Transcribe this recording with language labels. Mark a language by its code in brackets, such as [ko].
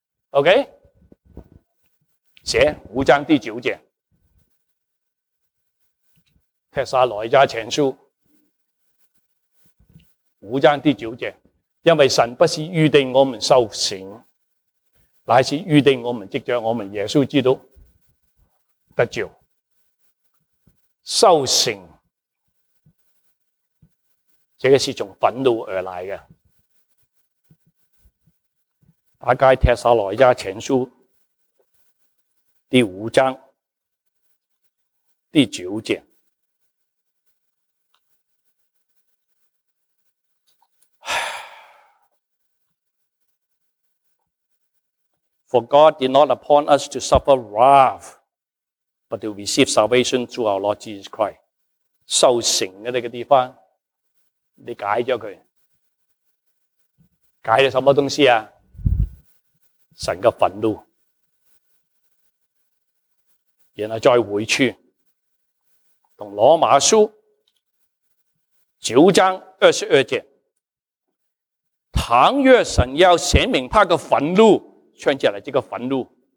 [zh] OK， 写五章第九节，帖撒罗尼迦前书五章第九节，因为神不是预定我们受刑，乃是预定我们藉着我们耶稣基督得救。受刑这个是从愤怒而来的。 [en] 大家《帖撒罗尼迦前书》第五章第九节， For God did not upon us to suffer wrath, but to receive salvation through our Lord Jesus Christ. [zh] 受刑的这个地方，你解了它，解了什么东西啊？神的愤怒，然后再回去跟罗马书九章二十二节，倘若神要显明他的愤怒，圈起来这个愤怒，